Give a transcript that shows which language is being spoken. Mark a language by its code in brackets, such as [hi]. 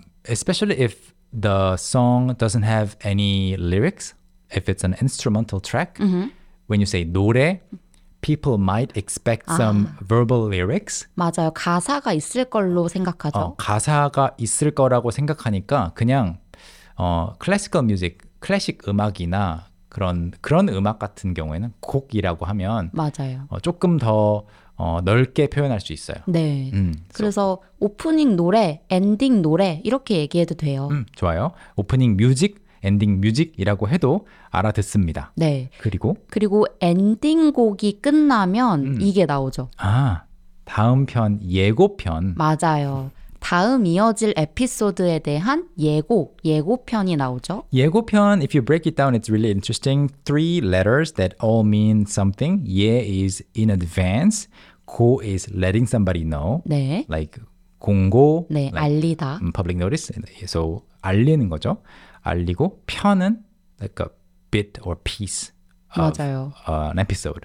[en] Especially if the song doesn't have any lyrics, if it's an instrumental track, when you say 노래, people might expect some verbal lyrics. [ko] 맞아요. 가사가 있을 걸로 생각하죠. 가사가 있을 거라고 생각하니까 그냥 classical music, 클래식 음악이나 그런 음악 같은 경우에는 곡이라고 하면 맞아요. 조금 더 넓게 표현할 수 있어요. 네. So. 그래서 오프닝 노래, 엔딩 노래 이렇게 얘기해도 돼요. 좋아요. 오프닝 뮤직, 엔딩 뮤직이라고 해도 알아듣습니다. 네. 그리고 엔딩 곡이 끝나면 이게 나오죠. 아, 다음 편 예고편. 맞아요. 다음 이어질 에피소드에 대한 예고편이 나오죠. [en] 예고편, if you break it down, it's really interesting. Three letters that all mean something. 예 is in advance. 고 is letting somebody know. [ko] 네. [en] Like 공고. [ko] 네, [en] like [ko] 알리다. [en] Public notice. So [ko] 알리는 거죠. [en] 알리고 편은 like a bit or piece of an episode.